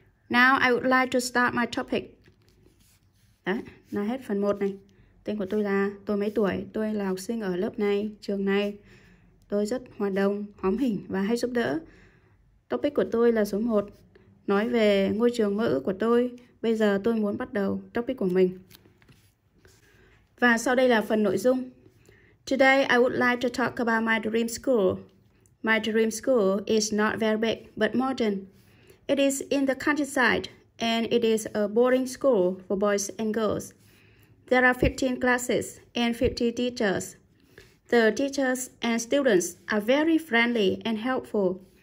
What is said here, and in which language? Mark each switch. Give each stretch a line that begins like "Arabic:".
English: Now I would like to start my topic.
Vietnamese: Đấy, là hết phần 1 này. Tên của tôi là, tôi mấy tuổi? Tôi là học sinh ở lớp này, trường này. Tôi rất hòa đồng, hóm hỉnh và hay giúp đỡ. Topic của tôi là số 1. Nói về ngôi trường mơ ước của tôi. Bây giờ tôi muốn bắt đầu topic của mình. Và sau đây là phần nội dung.
English: Today I would like to talk about my dream school. My dream school is not very big, but modern. It is in the countryside, and it is a boarding school for boys and girls. There are 15 classes and 50 teachers. The teachers and students are very friendly and helpful.